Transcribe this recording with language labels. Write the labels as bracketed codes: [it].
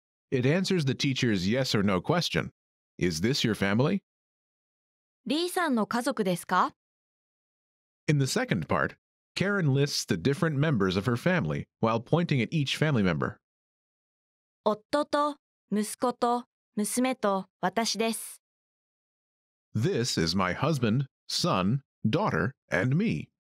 [en] It answers the teacher's yes or no question. Is this your family? [ja] リーさんの家族ですか? [en] In the second part, Karen lists the different members of her family while pointing at each family member. [ja] 夫と息子と娘と私です。 [en] This is my husband, son, daughter, and me.